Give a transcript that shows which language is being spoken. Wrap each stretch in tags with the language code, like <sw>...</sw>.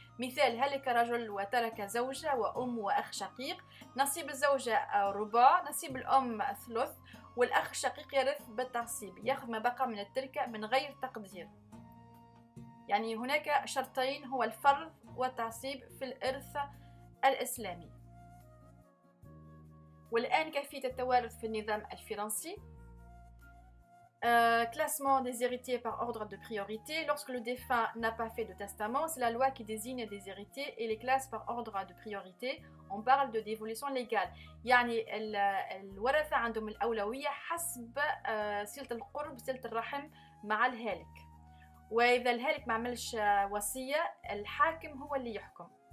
<ar>مثال: هلك رجل وترك زوجة وأم وأخ شقيق، نصيب الزوجة ربع، نصيب الأم ثلث، والأخ الشقيق يرث بالتعصيب، يأخذ ما بقى من التركة من غير تقدير. يعني هناك شرطين، هو الفرض والتعصيب في الإرث الإسلامي. والآن كيفية التوارث في النظام الفرنسي.</ar> <fr>Classement des héritiers par ordre de priorité. Lorsque le défunt n'a pas fait de testament, c'est la loi qui désigne des héritiers et les classe par ordre de priorité. On parle de dévolution légale.</fr> <ar>يعني الورثة عندهم الأولوية حسب صلة القرب، صلة الرحم مع الهالك. وإذا الهالك ما عملش وصية، الحاكم هو اللي يحكم.</ar>